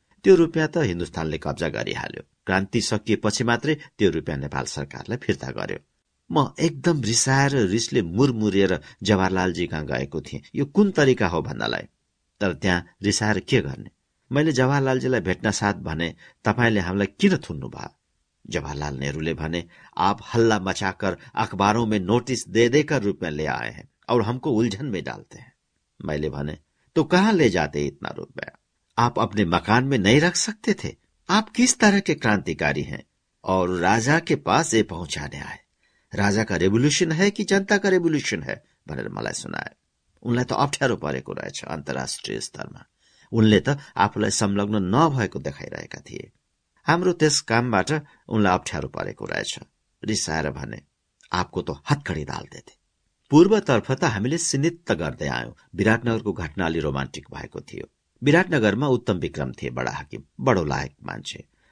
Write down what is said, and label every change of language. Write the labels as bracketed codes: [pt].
[ne] त्यो रूपियाँ त हिन्दुस्तानले कब्जा गरिहाल्यो। क्रान्ति सकिएपछि मात्रै त्यो रूपियाँ नेपाल सरकारलाई फिर्ता गर्यो। म एकदम रिसाएर रिसले मुरमुरिएर जवाहरलालजी कहाँ गएको थिएँ। यो कुन तरिका हो भन्नलाई, तर त्यहाँ रिसाएर के गर्ने? मैले जवाहरलालजीलाई भेट्न साथ भने, तपाईँले हामीलाई किन थुन्नु भयो? [hi] जवाहरलाल नेहरूले भने, आप हल्ला मचाकर अखबारों में नोटिस दे देकर रूपियाँ ले आए हैं और हमको उलझन में डालते हैं। [ne] मैले भने, [hi] तो कहाँ ले जाते इतना रूपया? आप अपने मकान में नहीं रख सकते थे? आप किस तरह के क्रांतिकारी हैं? और राजा के पास ये पहुंचाने आए, राजा का रेवोल्यूशन है कि जनता का रेवोल्यूशन है [ne] भनेर मलाई सुनाए। उनलाई त अप्ठ्यारो परेको रहेछ अन्तर्राष्ट्रिय स्तरमा। उनले त आफूलाई संलग्न नभएको देखाइरहेका थिए। हाम्रो त्यस कामबाट उनलाई अप्ठ्यारो परेको रहेछ। रिसाएर भने, [hi] आपको त हत्खडी दाल्दैथे। [ne] पूर्वतर्फ त हामीले सिनित्त गर्दै आयौं। विराटनगरको घटना अलि रोमान्टिक भएको थियो। विराटनगरमा उत्तम विक्रम थिए, बडा हाकिम, बडो लायक मान्छे।